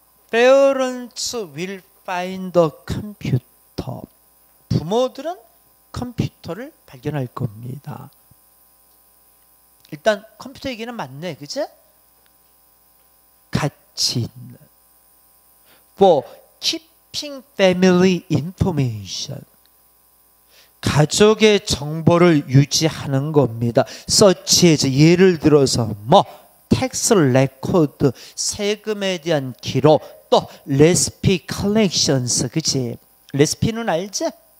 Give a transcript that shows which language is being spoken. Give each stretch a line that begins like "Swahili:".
English: Parents will find the computer.
Korean: 부모들은 컴퓨터를 발견할 겁니다. 일단 컴퓨터 얘기는 맞네. 그지? 같이 있는.
English: For keeping family information.
Korean: 가족의 정보를 유지하는 겁니다. 서치해서 예를 들어서 뭐 텍스 레코드, 세금에 대한 기록, 또 레시피 컬렉션스, 그치? 레시피는 알지?